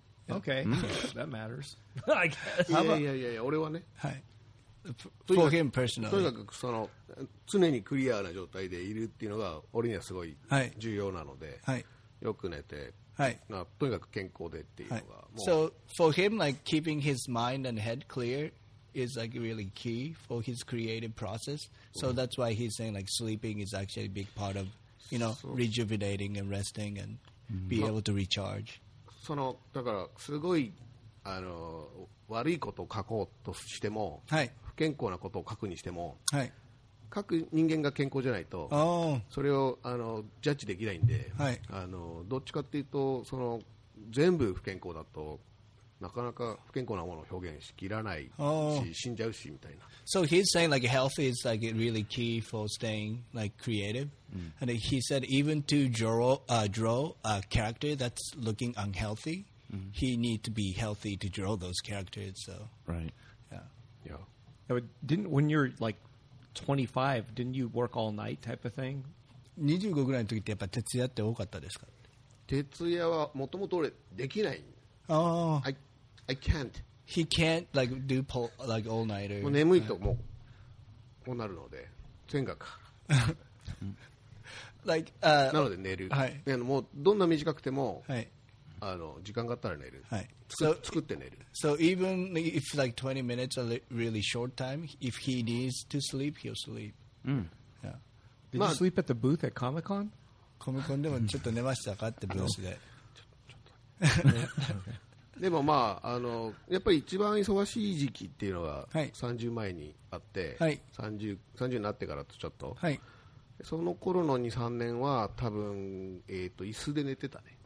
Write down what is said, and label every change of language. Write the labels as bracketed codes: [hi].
[en] Okay. That matters. I guess. [ja] いや、俺はね。はい。 [en] For him personally. [ja] とにかくその常にクリアな状態でいるっていうのが俺にはすごい重要なので、はい、よく寝て、はい、まあ、とにかく健康でっていうのが、はい、もう。 [en] So for him, like keeping his mind and head clear is like really key for his creative process. So that's why he's saying like sleeping is actually a big part of. You know, rejuvenating and resting and be able to recharge. [ja] そのだからすごいあの悪いことを書こうとしても、はい、不健康なことを書くにしても、はい、書く人間が健康じゃないと、 [en] oh. [ja] それをあのジャッジできないんで、はい、あのどっちかっていうとその全部不健康だとなかなか不健康なものを表現しきらないし、 [en] oh. [ja] 死んじゃうしみたいな。 [en] So he's saying like health is like really key for staying like creative. And he said even to draw a character that's looking unhealthy, he needs to be healthy to draw those characters. So. Right. Yeah. But didn't, when you're like 25, didn't you work all night type of thing? [ja] 25ぐらいの時ってやっぱ徹夜って多かったですか？徹夜はもともと俺できない。 [en] Oh. I can't. He can't like do pull, like all nighter. [ja] もう眠いともうこうなるので全額。 [en] Like, [ja] なので寝る、はい、でもうどんな短くても、はい、あの時間があったら寝る、はい、作って寝る。 [en] So even if like 20 minutes are really short time, if he needs to sleep, he'll sleep、 Did、 [ja] まあ、 [en] you sleep at the booth at Comic-Con? [ja] Comic-Con でもちょっと寝ましたかってブースでちょっとでもまあ、 あのやっぱり一番忙しい時期っていうのが30前にあって、はい、 30になってからとちょっと、はい、その頃の 2,3 年は多分、椅子で寝てたね。